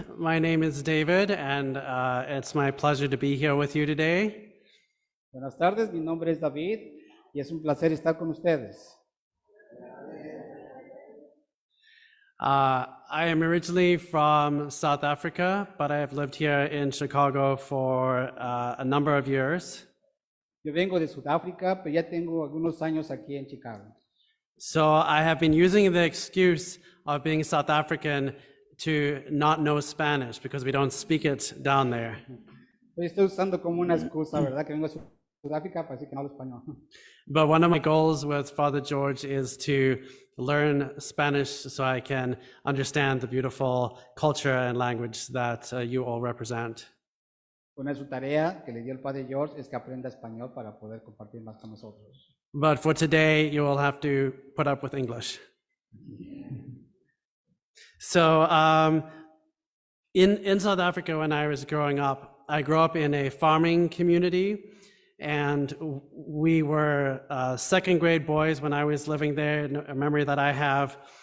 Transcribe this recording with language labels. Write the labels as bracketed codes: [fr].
[en] My name is David, and it's my pleasure to be here with you today. [es] Buenas tardes. Mi nombre es David, y es un placer estar con ustedes. [en] I am originally from South Africa, but I have lived here in Chicago for a number of years. [es] Yo vengo de Sudáfrica, pero ya tengo algunos años aquí en Chicago. [en] So I have been using the excuse of being South African to not know Spanish because we don't speak it down there. [es] Pues estoy usando como una excusa, ¿verdad? Que vengo de Sudáfrica, así que no hablo español. [en] But one of my goals with Father George is to learn Spanish so I can understand the beautiful culture and language that you all represent. [es] Una de sus tareas que le dio el Padre George es que aprenda español para poder compartir más con nosotros. [en] But for today, you will have to put up with English. So, in South Africa, when I was growing up, I grew up in a farming community, and we were second grade boys when I was living there, a memory that I have.